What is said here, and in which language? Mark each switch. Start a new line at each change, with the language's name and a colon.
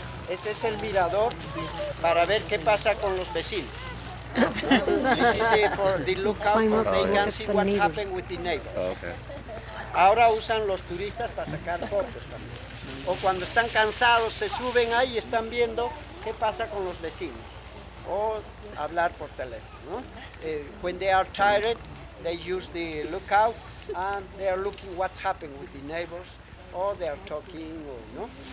Spanish: Ese es el mirador para ver qué pasa con los vecinos.
English: This is the lookout for they can see what happened with the neighbors.
Spanish: Ahora usan los turistas para sacar fotos también. O cuando están cansados se suben ahí y están viendo qué pasa con los vecinos. O hablar por teléfono, ¿no?
English: When they are tired, they use the lookout and they are looking what happened with the neighbors, or they are talking, or, ¿no?